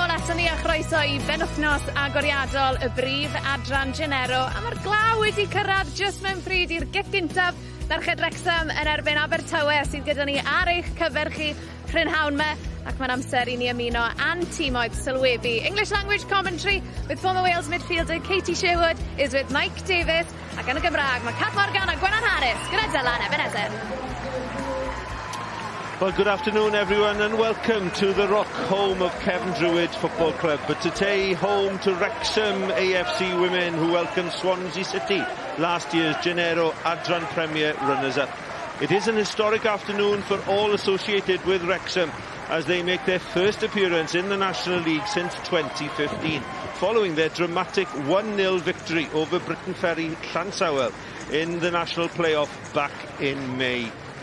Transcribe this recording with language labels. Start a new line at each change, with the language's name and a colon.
Welsh: Croeso ni a chroeso I benwthnos agoriadol y brif Adran Genero. A mae'r glaw wedi cyrraedd jyst mewn pryd i'r gic gyntaf Merched Wrexham yn erbyn Abertawe sydd gyda ni ar eich cyfer chi prynhawn me. Ac mae'n amser I ni ymuno a'n tîmoedd sylwebu.
English: English Language Commentary with former Wales midfielder Katie Sherwood is with Mike Davis.
Welsh: Ac yn y Gymraeg mae Cat Morgan a Gwenan Harris gyda Dylan Ebenezer.
English: Well, good afternoon, everyone, and welcome to the rock home of Kevin Druid Football Club. But today, home to Wrexham AFC women who welcomed Swansea City, last year's Genero Adran Premier runners-up. It is an historic afternoon for all associated with Wrexham as they make their first appearance in the National League since 2015, following their dramatic 1-0 victory over Britton Ferry Llansawel in the national playoff back in May.